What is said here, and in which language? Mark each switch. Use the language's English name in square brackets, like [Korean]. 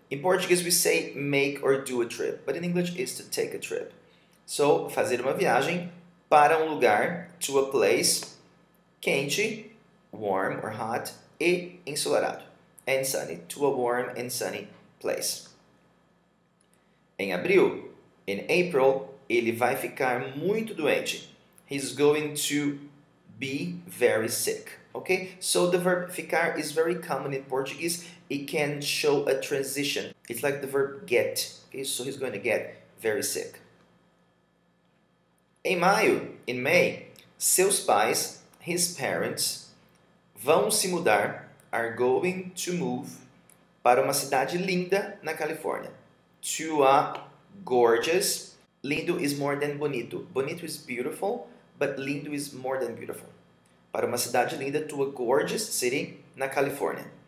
[English] In Portuguese, we say make or do a trip, but in English, it's to take a trip. [Portuguese] So, fazer uma viagem para um lugar, [English] to a place [Portuguese] quente. [English] Warm or hot [Portuguese] e ensolarado. [English] And sunny. To a warm and sunny place. [Portuguese] Em abril, [English] in April, [Portuguese] ele vai ficar muito doente. [English] He's going to be very sick. Okay? So the verb ficar is very common in Portuguese. It can show a transition. It's like the verb get. Okay? So he's going to get very sick. [Portuguese] Em maio, [English] in May, [Portuguese] seus pais, [English] his parents, [Portuguese] vão se mudar, [English] are going to move, [Portuguese] para uma cidade linda na Califórnia. [English] To a gorgeous. Lindo is more than bonito. Bonito is beautiful, but lindo is more than beautiful. [Portuguese] Para uma cidade linda, [English] to a gorgeous city [Portuguese] na Califórnia.